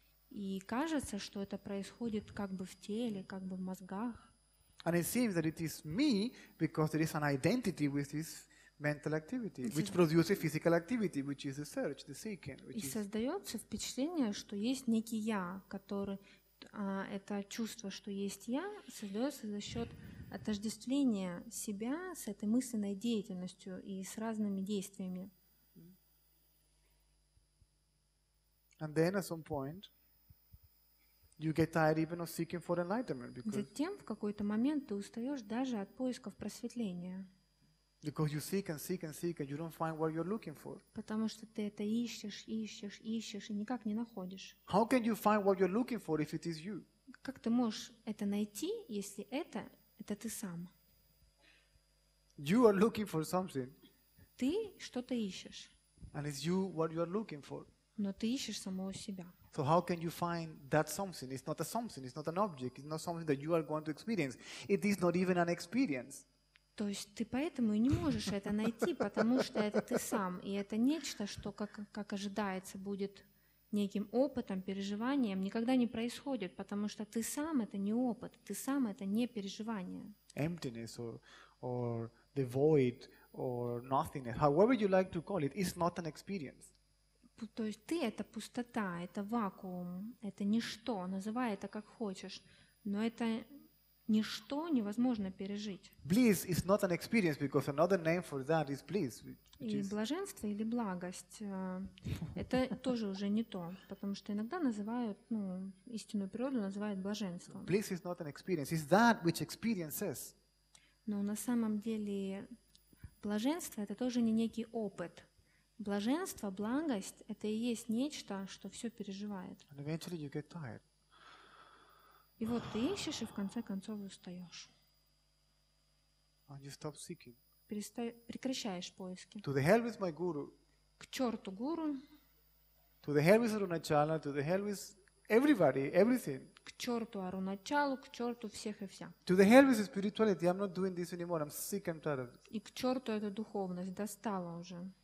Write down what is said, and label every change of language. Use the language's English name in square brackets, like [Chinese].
[Russian] И кажется, что это происходит как бы в теле, как бы в мозгах. [English] And it seems that it is me because there is an identity with this mental activity, which produces physical activity, which is the search, the seeking. [Russian] И создается впечатление, что есть некий я, который это чувство, что есть я, создается за счет отождествления себя с этой мысленной деятельностью и с разными действиями. [English] And then at some point, you get tired even of seeking for enlightenment because. [Russian] Затем в какой-то момент ты устаешь даже от поисков просветления. [English] Because you seek and seek and seek and you don't find what you're looking for. [Russian] Потому что ты это ищешь, ищешь, ищешь и никак не находишь. [English] How can you find what you're looking for if it is you? [Russian] Как ты можешь это найти, если это ты сам? [English] You are looking for something. [Russian] Ты что-то ищешь. [English] And it's you what you are looking for. [Russian] Но ты ищешь самого себя. [English] So how can you find that something? It's not a something, it's not an object, it's not something that you are going to experience. It is not even an experience. [Russian] То есть ты поэтому и не можешь это найти, потому что это ты сам, и это нечто, что как ожидается, будет неким опытом, переживанием, никогда не происходит, потому что ты сам это не опыт, ты сам это не переживание. [English] Emptiness or the void or nothingness, however you like to call it, is not an experience. [Russian] То есть ты — это пустота, это вакуум, это ничто, называй это как хочешь, но это ничто невозможно пережить. [English] Bliss is not an experience because another name for that is bliss. [Russian] И блаженство или благость это тоже уже не то, потому что иногда называют, ну, истинную природу называют блаженством. [English] Bliss is not an experience, it's that which experiences. [Russian] Но на самом деле блаженство — это тоже не некий опыт. Блаженство, благость — это и есть нечто, что все переживает. [English] And eventually you get tired. [Russian] И вот ты ищешь, и в конце концов устаешь. [English] And you stop seeking. [Russian] Прекращаешь поиски. [English] To the hell with my guru. [Russian] К черту гуру. [English] To the hell with Arunachala, to the hell with everybody, everything. [Russian] К черту Аруначалу, к черту всех и вся. [English] To the hell with spirituality, I'm not doing this anymore, I'm sick and tired of it. [Russian] И к черту эту духовность, достала уже.